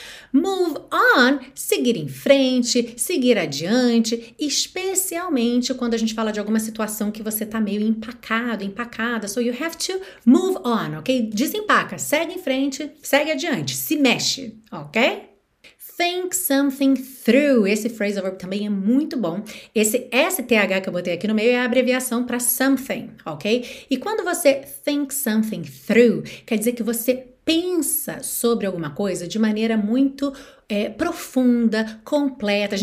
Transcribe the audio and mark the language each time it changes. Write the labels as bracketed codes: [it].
[pt] Move on, seguir em frente, seguir adiante, especialmente quando a gente fala de alguma situação que você tá meio empacado, empacada. [en] So you have to move on, ok? [pt] Desempaca, segue em frente, segue adiante, se mexe, ok? [en] Think something through. [pt] Esse phrasal verb também é muito bom. Esse STH que eu botei aqui no meio é a abreviação para something, ok? E quando você think something through, quer dizer que você pensa sobre alguma coisa de maneira muito profunda, completa.